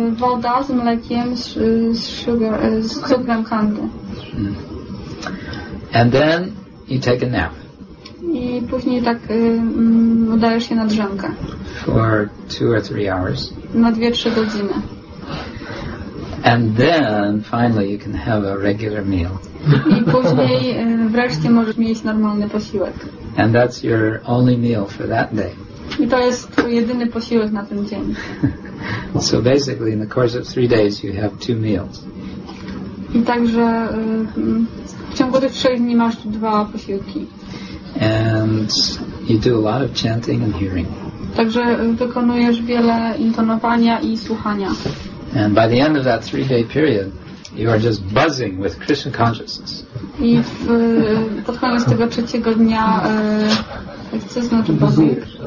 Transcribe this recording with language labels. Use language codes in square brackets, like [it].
[pl] Woda z mlekiem, z cukrem candy. [en] And then you take a nap. [pl] I później tak udajesz się na drzemkę. [en] For 2 or 3 hours. [pl] Na 2-3 godziny. [en] And then finally you can have a regular meal. [pl] I później wreszcie możesz mieć normalny posiłek. [en] And that's your only meal for that day. [pl] I to jest twój jedyny posiłek na ten dzień. [en] So basically, in the course of 3 days, you have two meals. [pl] I także w ciągu tych 3 dni masz dwa posiłki. [en] And you do a lot of chanting and hearing. [pl] Także wykonujesz wiele intonowania i słuchania. [en] And by the end of that 3-day period, you are just buzzing with Krishna consciousness. [pl] I pod koniec tego trzeciego dnia co znaczy buzzing?